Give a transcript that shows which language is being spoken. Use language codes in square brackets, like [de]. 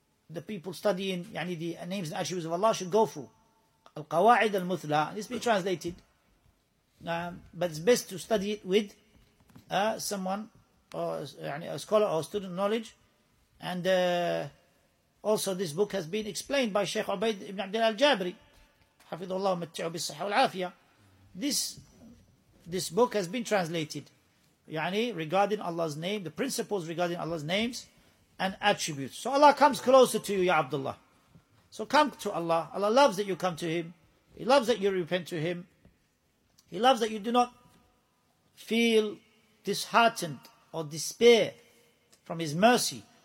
[en] The people studying يعني, the names and attributes of Allah should go through. Al-Qawa'id al-Muthla, it's been translated. But it's best to study it with someone, or يعني, a scholar or student knowledge. And also this book has been explained by Sheikh Ubaid ibn Abdul al-Jabri. [ar] حفظه الله بالصحة والعافية. [en] This book has been translated يعني, regarding Allah's name, the principles regarding Allah's names and attributes. So Allah comes closer to you, Ya Abdullah. So come to Allah. Allah loves that you come to Him. He loves that you repent to Him. He loves that you do not feel disheartened or despair from His mercy.